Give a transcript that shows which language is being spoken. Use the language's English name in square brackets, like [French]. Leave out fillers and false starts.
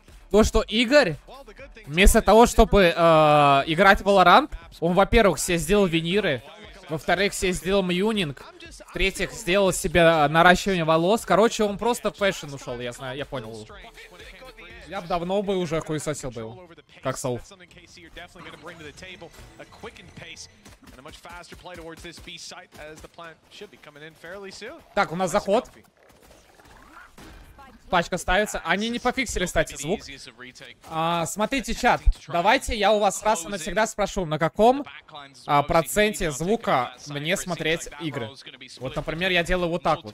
[Russian] То, что Игорь, вместо того, чтобы играть в Valorant, он, во-первых, себе сделал виниры, во-вторых, себе сделал мьюнинг, в-третьих, сделал себе наращивание волос. Короче, он просто в фэшн ушел, я знаю, я понял. Я бы давно бы уже хуесосил бы его, как Саул. [English] And a much faster play towards this B site as the plant should be coming in fairly soon. [Russian] Так, у нас заход. Пачка ставится. Они не пофиксили, кстати, звук. Смотрите, чат. Давайте я у вас раз и навсегда спрошу, на каком проценте звука мне смотреть игры. Вот, например, я делаю вот так вот.